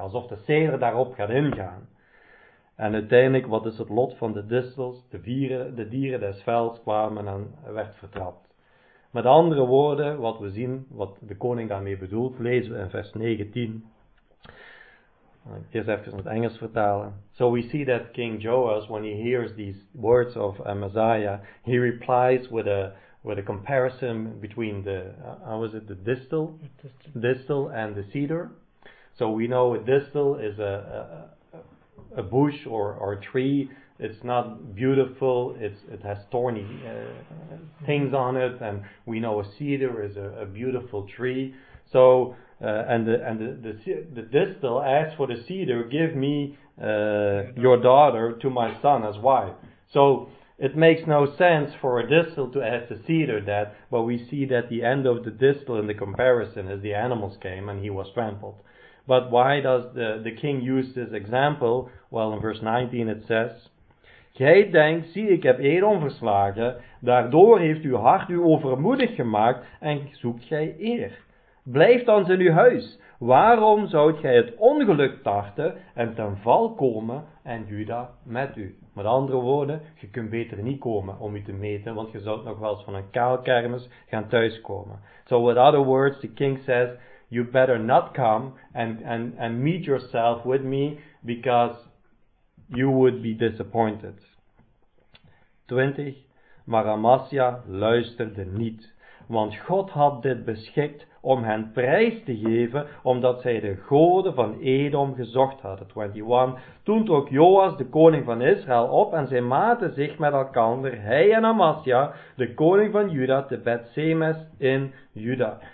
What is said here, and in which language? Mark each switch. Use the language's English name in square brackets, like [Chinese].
[Dutch] Alsof de ceder daarop gaat ingaan. En uiteindelijk, wat is het lot van de distels? De dieren des velds kwamen en werd vertrapt. Met andere woorden, wat we zien, wat de koning daarmee bedoelt, lezen we in vers 19. Eerst even in het Engels vertalen. [English] So we see that King Joas, when he hears these words of Amaziah, he replies with a comparison between the distel? Distel and the cedar. So we know a distel is a bush or a tree. It's not beautiful, it has thorny things on it, and we know a cedar is a beautiful tree. So, and the distel asks for the cedar, give me your daughter to my son as wife. So, it makes no sense for a distel to ask the cedar that, but we see that the end of the distel in the comparison is the animals came and he was trampled. But why does the king use this example? Well, in verse 19 it says, [Dutch] gij denkt, zie ik heb Edom verslagen, daardoor heeft uw hart u overmoedig gemaakt en zoekt gij eer. Blijf dan in uw huis, waarom zou gij het ongeluk tarten en ten val komen en Juda met u? Met andere woorden, je kunt beter niet komen om u te meten, want je zou nog wel eens van een kaalkermis gaan thuiskomen. [English] So with other words, the king says, you better not come and meet yourself with me, because you would be disappointed. [Dutch] 20. Maar Amasja luisterde niet, want God had dit beschikt om hen prijs te geven, omdat zij de goden van Edom gezocht hadden. 21. Toen trok Joas, de koning van Israël, op en zij maten zich met elkander, hij en Amasja, de koning van Juda, te Bet-Semes in Juda.